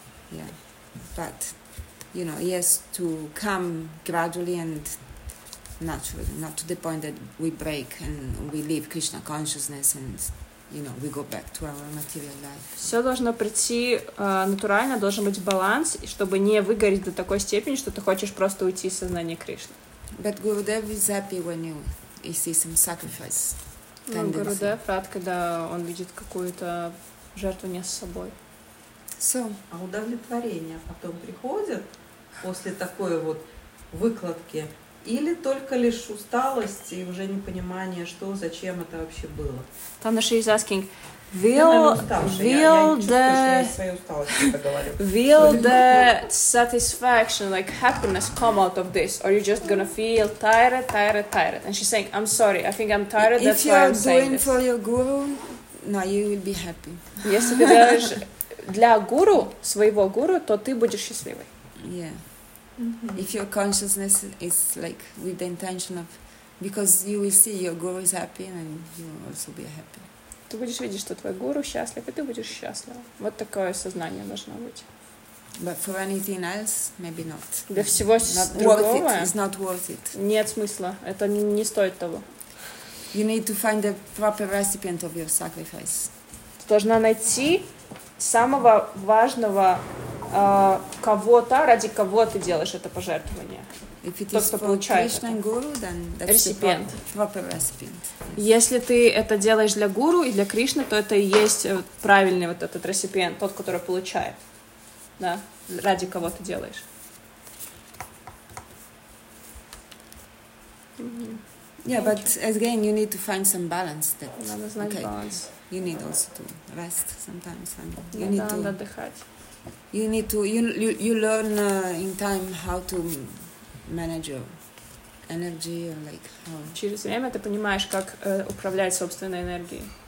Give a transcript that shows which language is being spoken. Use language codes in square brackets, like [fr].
[en] Yeah, but you know, he has to come gradually and naturally, not to the point that we break and we leave Krishna consciousness and. You know, we go back to our material life. [ru] Все должно прийти натурально, должен быть баланс, чтобы не выгореть до такой степени, что ты хочешь просто уйти из сознания Кришны. [en] But Gurudev is happy when he sees some sacrifice. [ru] Но Гурудев рад, когда он видит какую-то жертву не с собой. [en] So. [ru] А удовлетворение потом приходит? после такой вот выкладки? Или только лишь усталость и уже непонимание, что, зачем это вообще было? [en] Tana, she's asking, will the satisfaction, like happiness, come out of this? Or are you just going to feel tired? And she's saying, I'm sorry, I think I'm tired, that's why I'm saying this. If you are doing for your guru, no, you will be happy. [ru] Если ты делаешь для гуру, своего гуру, то ты будешь счастливой. [en] Yeah. Mm-hmm. If your consciousness is like with the intention of, because you will see your guru is happy and you will also be happy. [ru] Ты будешь видеть, что твой гуру счастлив, и ты будешь счастлива. Вот такое сознание должно быть. [en] But for anything else, maybe not. [ru] Для всего другого [en] it's not worth it. [ru] Нет смысла. Это не стоит того. [en] You need to find the proper recipient of your sacrifice. [ru] Ты должна найти самого важного кого-то, ради кого ты делаешь это пожертвование. То, что получаешь это. Guru, [en] recipient. Recipient. Yes. [ru] Если ты это делаешь для гуру и для Кришны, то это и есть правильный вот этот recipient, тот, который получает. Да? Ради кого ты делаешь. [en] Yeah, but again, you need to find some balance. That... [ru] Надо знать okay. баланс. [en] You need also to rest sometimes. [ru] Да, надо отдыхать. [en] You need to you learn in time how to manage your energy or like how. [ru] Через время ты понимаешь, как управлять собственной энергией.